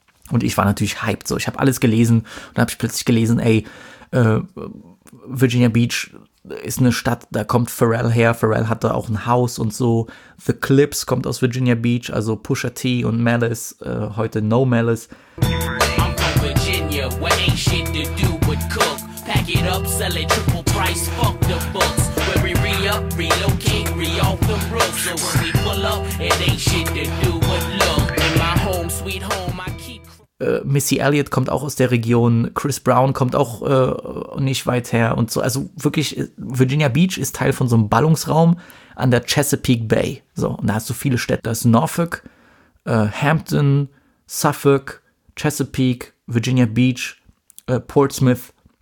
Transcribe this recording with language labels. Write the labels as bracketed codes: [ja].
[de] Und ich war natürlich hyped, so, ich habe alles gelesen und habe ich plötzlich gelesen, ey, Virginia Beach ist eine Stadt, da kommt Pharrell her, Pharrell hat da auch ein Haus und so, The Clips kommt aus Virginia Beach, also Pusha T und Malice, heute No Malice. [en] I'm from Virginia, where ain't shit to do but cook. Pack it up, sell it triple price, fuck the books. Where we re-up, relocate, re-off the roof. So when we pull up, it ain't shit to do but look. In my home, sweet home, I keep... [de] Missy Elliott kommt auch aus der Region, Chris Brown kommt auch nicht weit her und so. Also wirklich, Virginia Beach ist Teil von so einem Ballungsraum an der Chesapeake Bay. So, und da hast du viele Städte. Da ist Norfolk, Hampton, Suffolk, Chesapeake, Virginia Beach, Portsmouth.